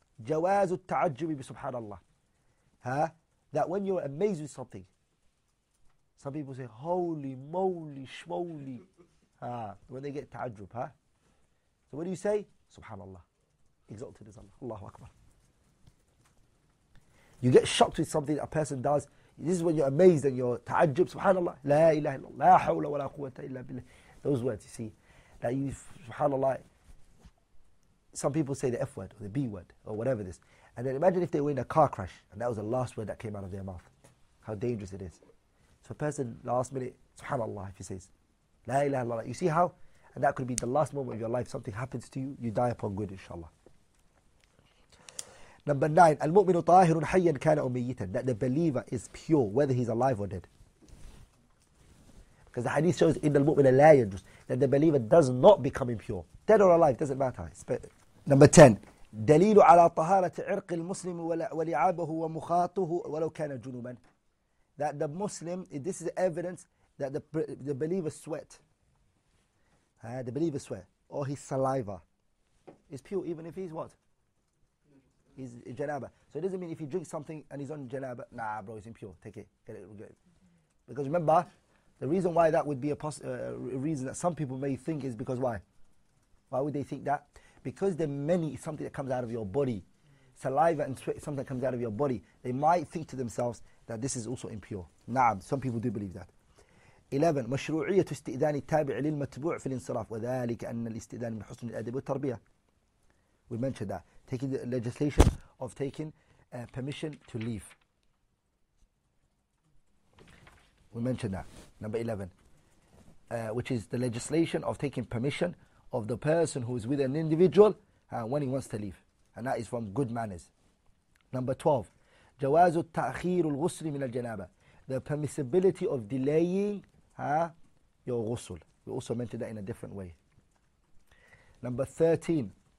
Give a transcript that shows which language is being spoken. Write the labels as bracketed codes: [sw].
[ar] جواز التعجب بسبحان الله. [en] That when you're amazed with something, some people say, holy moly, shmoly. When they get ta'ajjub, huh? So what do you say? Subhanallah. Exalted is Allah. Allahu Akbar. You get shocked with something that a person does, This is when you're amazed and you're ta'ajjub, subhanAllah. La ilaha illallah, la hawla wa la quwwata illa billah. Those words, you see, that you, subhanAllah, some people say the F word or the B word or whatever this. And then imagine if they were in a car crash and that was the last word that came out of their mouth. How dangerous it is. So a person, last minute, subhanAllah, if he says, la ilaha illallah, you see how? And that could be the last moment of your life. Something happens to you, you die upon good, inshallah. Number 9, [ar] المؤمن طاهر حيا كان أو ميتا. [en] That the believer is pure, whether he's alive or dead. Because the hadith shows in the [ar] المؤمن لا يجوز, [en] that the believer does not become impure. Dead or alive, doesn't matter. Number 10, [ar] دليل على طهارة عرق المسلم ولعابه ومخاطه ولو كان جنوبا. [en] That the Muslim, this is evidence that the believer's sweat, the believer's sweat, or his saliva, is pure even if he's what? He's janaba. So it doesn't mean if he drinks something and he's on janaba, nah bro, he's impure, take it, get it, get it. Because remember, the reason why that would be a reason that some people may think is because why? Why would they think that? Because the many is something that comes out of your body. Saliva and sweat is something that comes out of your body. They might think to themselves that this is also impure. Nah, some people do believe that. 11. [ar] مشروعية استئذان التابع للمتبوع في الانصراف وذلك أن الاستئذان من حسن الأدب والتربية. [en] We mentioned that. Taking the legislation of taking permission to leave. We mentioned that. Number 11. Which is the legislation of taking permission of the person who is with an individual when he wants to leave. And that is from good manners. Number 12. [ar] جواز التأخير الغسل من الجنابة. [en] The permissibility of delaying your ghusl. We also mentioned that in a different way. Number 13.